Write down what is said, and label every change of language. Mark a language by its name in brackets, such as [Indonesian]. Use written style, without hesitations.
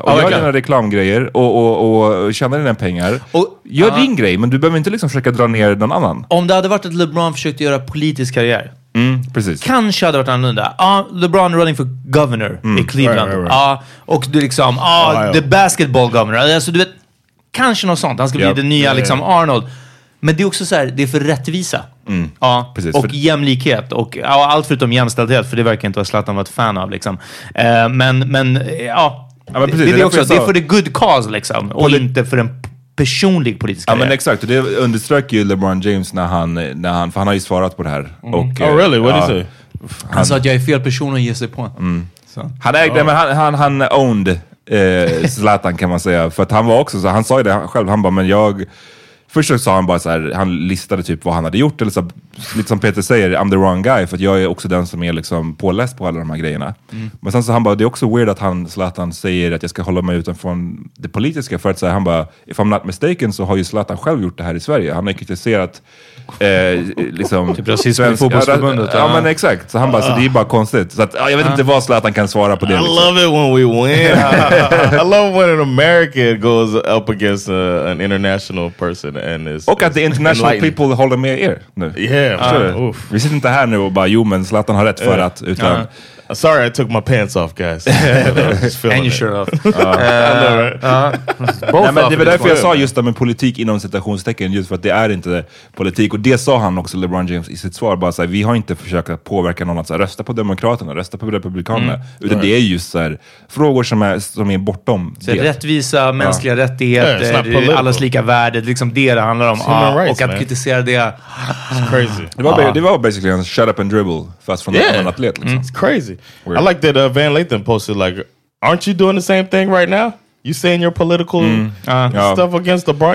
[Swedish] Och gör dina reklamgrejer och tjäna dina pengar. Och, gör din grej, men du behöver inte liksom försöka dra ner någon annan. Om det hade varit att LeBron försökte göra politisk karriär. Mm, precis. Kanske hade varit annorlunda. [English] LeBron running for governor [Swedish] i Cleveland. Och du liksom, [English] the basketball governor. [Swedish] Alltså du vet, kanske något sånt. Han ska bli den nya liksom Arnold. Men det är också så här, det är för rättvisa. Mm. Ja, precis. Och jämlikhet. Och allt förutom jämställdhet, för det verkar inte vara Zlatan varit fan av. Liksom. Men precis, det är också, det är för [English] the good cause, [Swedish] liksom. Och inte för en personlig politisk karriär. Ja, men exakt. Och det underströk ju LeBron James när han, för han har ju svarat på det här. Mm. Och, [English] oh, really? What did he say? [Swedish] Han sa att jag är fel person att ge sig på. Mm. Så. Han ägde, men han owned Zlatan, kan man säga. För att han var också så, han sa ju det själv. Han bara, men jag... Först så sa han bara så här, han listade typ vad han hade gjort. Eller så, lite som Peter säger, [English] I'm the wrong guy. [Swedish] För att jag är också den som är liksom påläst på alla de här grejerna. Mm. Men sen så han bara, det är också weird att han, Zlatan, säger att jag ska hålla mig utanför det politiska. För att så här, han bara, [English] if I'm not mistaken [Swedish] så har ju Zlatan själv gjort det här i Sverige. Han har kritiserat, liksom... Typ rasism i fotbollsförbundet. Ja, men exakt. Så han bara, så det är bara konstigt. Så att, jag vet inte vad Zlatan kan svara på det. [English] Liksom. I love it when we win. I love when an American goes up against an international person. And [Swedish] och att [English] the international people [Swedish] håller med er nu. [English] Yeah, [Swedish] vi sitter inte här nu och bara, jo, men Zlatan har rätt för att, utan... [English] Sorry, I took my pants off, guys. And your shirt off. [Swedish] Nej, men det var därför jag sa just det med politik inom citationstecken, just för att det är inte politik. Och det sa han också, LeBron James, i sitt svar. Bara så här, vi har inte försökt påverka någon att så här, rösta på demokraterna, rösta på republikanerna. Mm. Utan det är just så här, frågor som är bortom så det. Rättvisa, mänskliga rättigheter, allas lika värde. Det är liksom det handlar om. Rights, och att kritisera det. [English] It's crazy. [Swedish] Det var basically en [English] shut up and dribble, [Swedish] fast från en atlet. Liksom. [English] It's crazy. Weird. I like that Van Lathan posted, like, aren't you doing the same thing right now? You saying your political stuff against the bar?